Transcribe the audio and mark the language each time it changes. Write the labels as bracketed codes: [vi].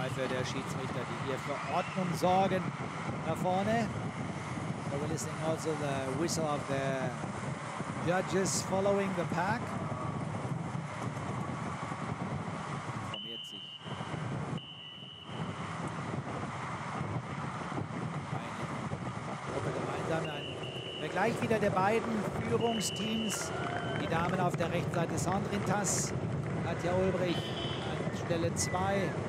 [de] Der Schiedsrichter, die hier für Ordnung sorgen, da vorne. [en] So we're listening also the whistle of the judges following the pack. [de] Informiert sich. Eine Gruppe gemeinsam, ein Vergleich wieder der beiden Führungsteams. Die Damen auf der rechten Seite, Sandrine Tass, Katja Ulbrich an Stelle 2.